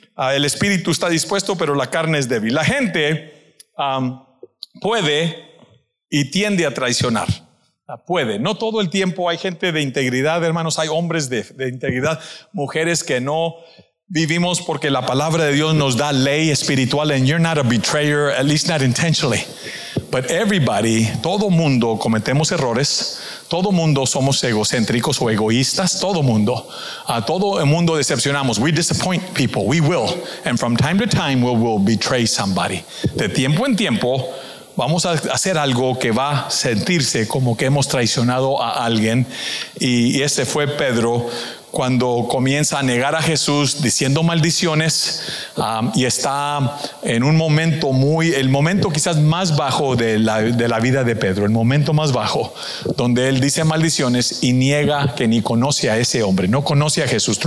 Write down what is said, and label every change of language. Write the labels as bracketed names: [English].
[Spanish] El espíritu está dispuesto, pero la carne es débil. La gente puede y tiende a traicionar. Puede, no todo el tiempo. Hay gente de integridad, hermanos, hay hombres de integridad, mujeres que no vivimos porque la palabra de Dios nos da ley espiritual. [English] And you're not a betrayer, at least not intentionally. But everybody, [Spanish] todo mundo cometemos errores, todo mundo somos egocéntricos o egoístas, todo mundo, a todo el mundo decepcionamos. [English] We disappoint people, we will. And from time to time, we will betray somebody. [Spanish] De tiempo en tiempo, vamos a hacer algo que va a sentirse como que hemos traicionado a alguien. Y ese fue Pedro cuando comienza a negar a Jesús diciendo maldiciones, y está en un momento muy, el momento quizás más bajo de la vida de Pedro, el momento más bajo, donde él dice maldiciones y niega que ni conoce a ese hombre, no conoce a Jesús.